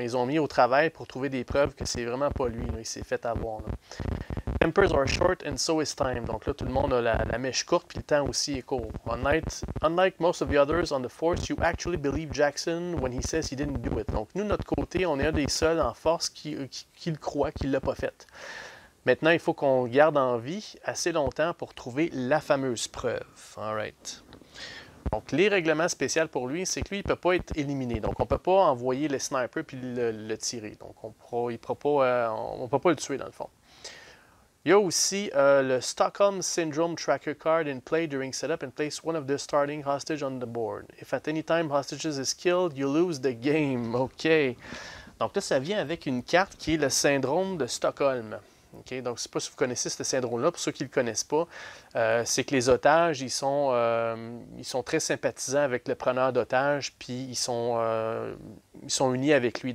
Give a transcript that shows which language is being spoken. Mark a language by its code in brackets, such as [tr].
[fr] Ils ont mis au travail pour trouver des preuves que c'est vraiment pas lui. Là. Il s'est fait avoir. Là. [en] Tempers are short and so is time. [fr] Donc là, tout le monde a la mèche courte, puis le temps aussi est court. [en] Unlike most of the others on the force, you actually believe Jackson when he says he didn't do it. [fr] Donc nous, notre côté, on est un des seuls en force qui le croit qu'il l'a pas fait. Maintenant, il faut qu'on garde en vie assez longtemps pour trouver la fameuse preuve. All right. Donc les règlements spéciaux pour lui, c'est que lui, il peut pas être éliminé. Donc on peut pas envoyer le sniper puis le tirer. Donc on peut pas le tuer dans le fond. Il y a aussi le [en] Stockholm Syndrome Tracker Card in play during setup and place one of the starting hostages on the board. If at any time hostages is killed, you lose the game. OK. [fr] Donc là, ça vient avec une carte qui est le syndrome de Stockholm. OK. Donc, je ne sais pas si vous connaissez ce syndrome-là. Pour ceux qui ne le connaissent pas, c'est que les otages, ils sont très sympathisants avec le preneur d'otages, puis ils sont unis avec lui.